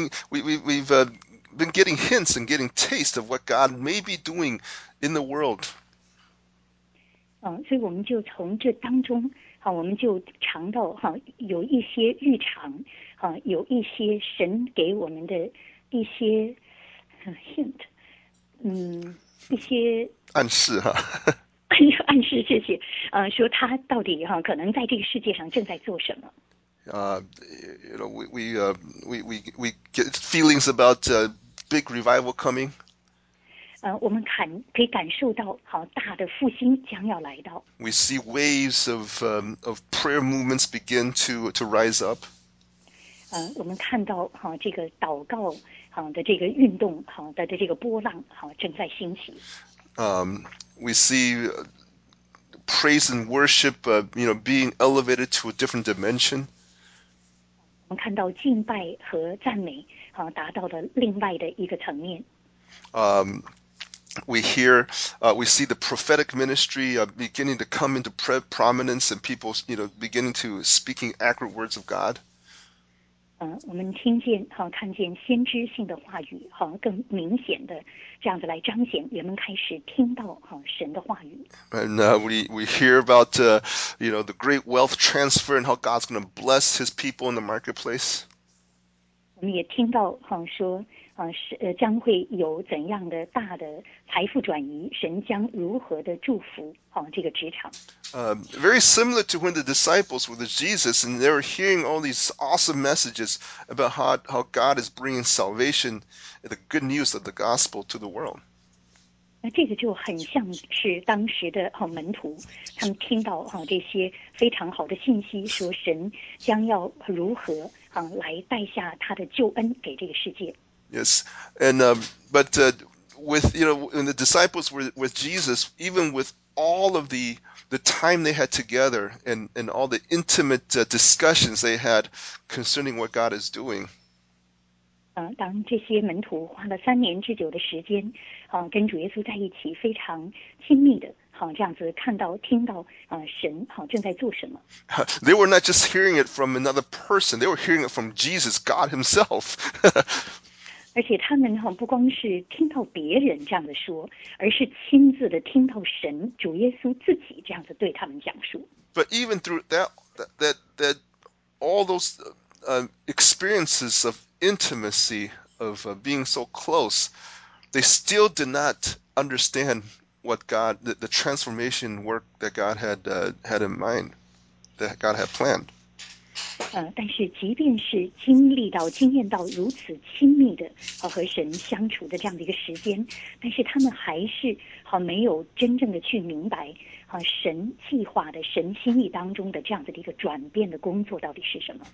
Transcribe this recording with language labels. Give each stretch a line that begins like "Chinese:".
English: We've been getting hints and getting taste of what God may be doing in the world.
Chinese: 所以我们就从这当中，我们就尝到有一些日常，有一些神给我们的一些 hint， 一些暗示哈。暗示，谢谢。说他到底可能在这个世界上正在做什么。
English: We get feelings about big revival coming.
Chinese: 我们可以感受到好大的复兴将要来到。
English: We see waves of prayer movements begin to rise up.
Chinese: 我们看到好这个祷告好的这个运动好的这个波浪好正在兴起。
English: We see praise and worship, being elevated to a different dimension.
Chinese: 我们看到敬拜和赞美，达到了另外的一个层面。
English: We see the prophetic ministry beginning to come into prominence, and people, beginning to speaking accurate words of God.
Chinese: 我们听见，看见先知性的话语，更明显的这样子来彰显，人们开始听到，神的话语。
English: And we hear about the great wealth transfer and how God's going to bless His people in the marketplace.
Chinese: 我们也听到，说，将会有怎样的大的财富转移，神将如何的祝福，这个职场。
English: Very similar to when the disciples were with Jesus and they were hearing all these awesome messages about how God is bringing salvation, the good news of the gospel to the world.
Chinese: 那这个就很像是当时的门徒，他们听到这些非常好的信息，说神将要如何来带下他的救恩给这个世界。
English: Yes, and when the disciples were with Jesus, even with all of the time they had together and all the intimate discussions they had concerning what God is doing.
Chinese: 当这些门徒花了3年之久的时间，跟主耶稣在一起非常亲密的，这样子看到听到，神正在做什么。
English: They were not just hearing it from another person; they were hearing it from Jesus, God Himself.
Chinese: 而且他们不光是听到别人这样的说，而是亲自的听到神主耶稣自己这样子对他们讲述。
English: But even through that all those experiences of intimacy of being so close, they still did not understand what God the transformation work that God had had in mind that God had planned.
Chinese: 但是即便是经历到经验到如此亲密的和神相处的这样的一个时间，但是他们还是没有真正的去明白神计划的神心意当中的这样的一个转变的工作到底是什么。